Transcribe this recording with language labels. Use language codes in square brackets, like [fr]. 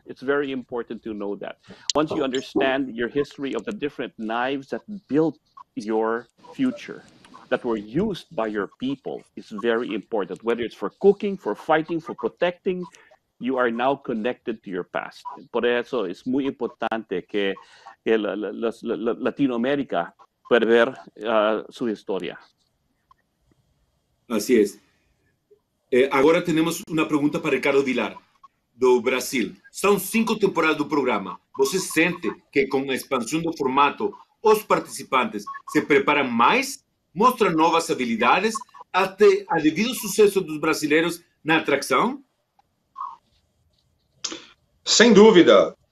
[en] It's very important to know that. Once you understand your history of the different knives that built your future, that were used by your people, is very important. Whether it's for cooking, for fighting, for protecting, you are now connected to your past. [es] Por eso es muy importante que Latinoamérica puede ver su historia. Así es. Ahora tenemos una pregunta para Ricardo Vilar, do Brasil. [pt] São 5 temporadas do programa. Você sente que com a expansão do formato, os participantes se preparam mais, mostram novas habilidades, até a devido sucesso dos brasileiros na atração? Sem dúvida.